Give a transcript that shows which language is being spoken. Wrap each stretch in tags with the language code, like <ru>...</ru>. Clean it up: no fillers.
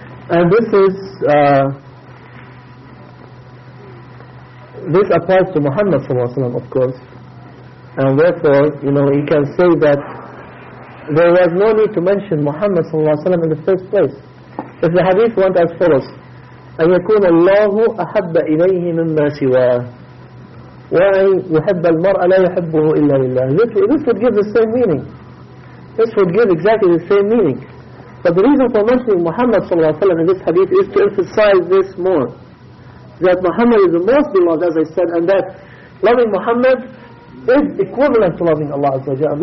<en>And this is this applies to Muhammad Sallallahu Alaihi Wasallam, of course. And therefore, you know, you can say that there was no need to mention Muhammad Sallallahu Alaihi Wasallam in the first place. If the hadith went as follows,</en> <ar>أن يكون الله أحب إليه مما سواه وأن يحب المرء لا يحبه إلا لله.</ar> <en>This would give the same meaning. This would give exactly the same meaning. But the reason for mentioning Muhammad</en> <ar>صلى الله عليه وسلم</ar> <en>in this hadith is to emphasize this more. That Muhammad is the most beloved, as I said, and that loving Muhammad is equivalent to loving Allah</en> <ar>عز وجل.</ar>